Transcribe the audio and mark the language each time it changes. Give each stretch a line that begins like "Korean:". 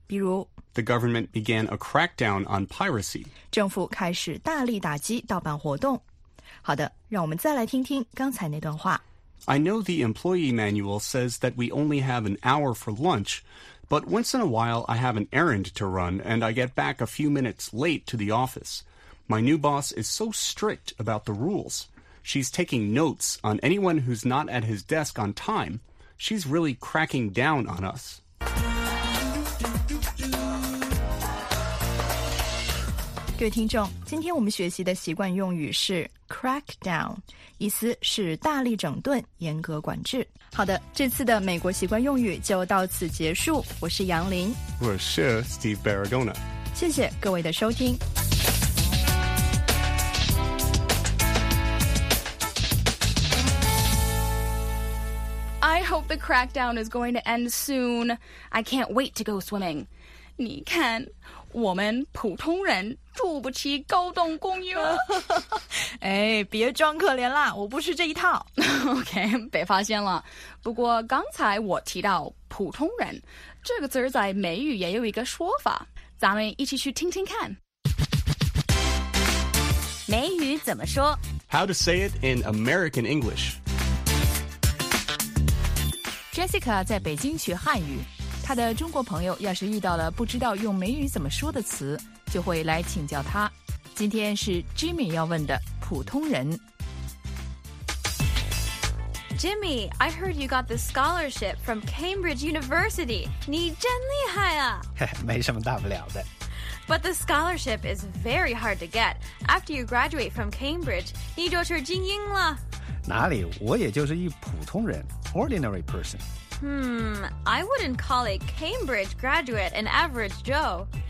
Chinese: 比如
English: ,The government began a crackdown on piracy.
Chinese: 政府开始大力打击盗版活动。好的，让我们再来听听刚才那段话。
English: I know the employee manual says that we only have an hour for lunch,But once in a while, I have an errand to run, and I get back a few minutes late to the office. My new boss is so strict about the rules. She's taking notes on anyone who's not at his desk on time. She's really cracking down on us.
Chinese: Good 听众，今天我们学习的习惯用语是 crackdown, 意思是大力整顿、严格管制。好的，这次的美国习惯用语就到此结束。我是杨林，我是 Steve Barragona。谢谢各位的收听。
English: I hope the crackdown is going to end soon. I can't wait to go swimming.
Chinese: 你看。我们普通人住不起高档公寓。哎，别装可怜啦，我不是这一套。 OK, 被发现了。不过刚才我提到普通人，这个词在美语也有一个说法，咱们一起去听听看。美语怎么说
English: ?How to say it in American English.
Chinese: Jessica 在北京学汉语。他的中国朋友要是遇到了不知道用美语怎么说的词，就会来请教他。今天是 Jimmy 要问的普通人。
English: Jimmy, I heard you got the scholarship from Cambridge University.
Chinese: 你真厉害啊！没什么大不了的。
English: But the scholarship is very hard to get. After you graduate from Cambridge,
Chinese: 你就是精英了。哪里，我也就是一普通人 ,
English: ordinary person。 I wouldn't call a Cambridge graduate an average Joe.